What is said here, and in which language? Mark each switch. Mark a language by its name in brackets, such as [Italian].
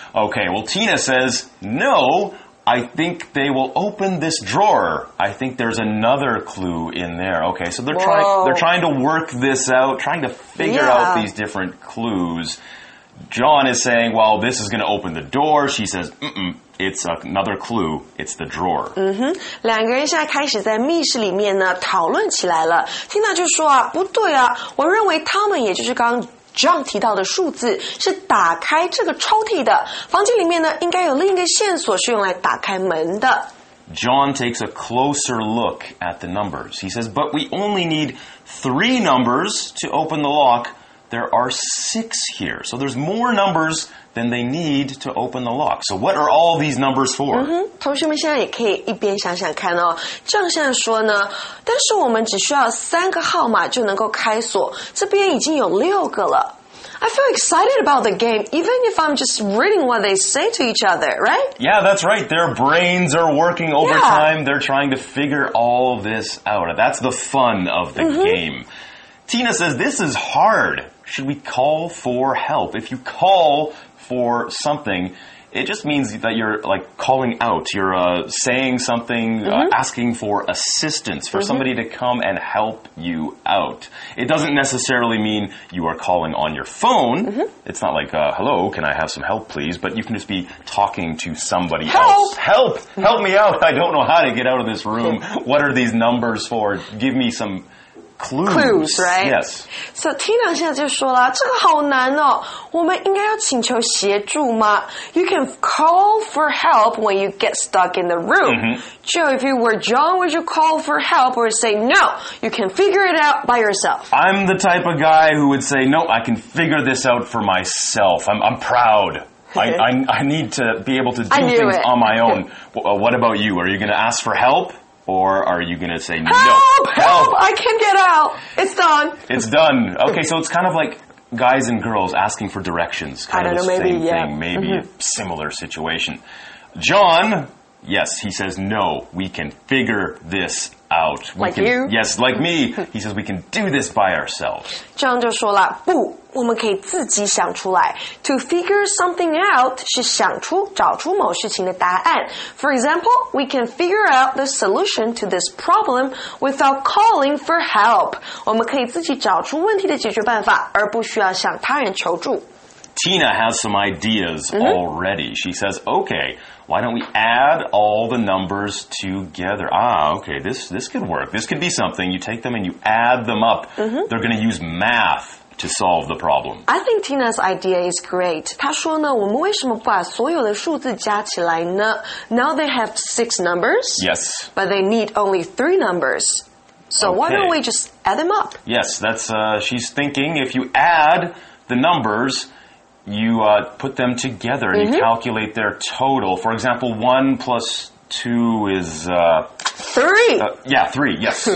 [English] Okay, well, Tina says, no, I think they will open this drawer. I think there's another clue in there. Okay, so they're trying to work this out, trying to figure out these different clues. John is saying, well, this is going to open the door. She says, It's another clue. It's the drawer. [Chinese] 两个人现在开始在密室里面呢讨论起来了。 Tina 就说啊，不对啊，我认为他们也就是刚John 提到的数字是打开这个抽屉的。房间里面呢，应该有另一个线索是用来打开门的。 [English] John takes a closer look at the numbers. He says, "But we only need three numbers to open the lock. There are six here, so there's more numbers." Then they need to open the lock. So what are all these numbers for? [Chinese] 同学们现在也可以一边想想看哦。这样现在说呢，但是我们只需要三个号码就能够开锁，这边已经有六个了。 [English] I feel excited about the game, even if I'm just reading what they say to each other, right? Yeah, that's right. Their brains are working overtime. Yeah. They're trying to figure all this out. That's the fun of the game. Tina says, this is hard. Should we call for help? If you call... for something, it just means that you're like calling out, you're saying something, asking for assistance, for somebody to come and help you out. It doesn't necessarily mean you are calling on your phone. It's not like, hello, can I have some help, please? But you can just be talking to somebody else. Help! Help me out! I don't know how to get out of this room. What are these numbers for? Give me someClues, right? Yes. [Chinese] So Tina 现在就说了，这个好难哦。我们应该要请求协助吗？ [English] You can call for help when you get stuck in the room. Joe, if you were John, would you call for help or say no? You can figure it out by yourself. I'm the type of guy who would say, no, I can figure this out for myself. I'm proud. I need to be able to do things on my own. What about you? Are you going to ask for help? Or are you going to say no? Help! I can't get out! It's done. Okay, so it's kind of like guys and girls asking for directions. Kind of the same thing. Maybe a similar situation. John, yes, he says no. We can figure this out. Yes, like me. He says we can do this by ourselves. [Chinese] John 就说了不。我们可以自己想出来。 [English] To figure something out [Chinese] 是想出、找出某事情的答案。 [English] For example, we can figure out the solution to this problem without calling for help. [Chinese] 我们可以自己找出问题的解决办法，而不需要向他人求助。 [English] Tina has some ideas already. She says, okay, why don't we add all the numbers together? Okay, this could work. This could be something. You take them and you add them up. They're going to use math. To solve the problem. I think Tina's idea is great. [Chinese] 她说呢，我们为什么不把所有的数字加起来呢？ [English] Now they have six numbers. Yes. But they need only three numbers. So why don't we just add them up? Yes, that's, she's thinking if you add the numbers, you put them together and you calculate their total. For example, one plus two is... Three, yes.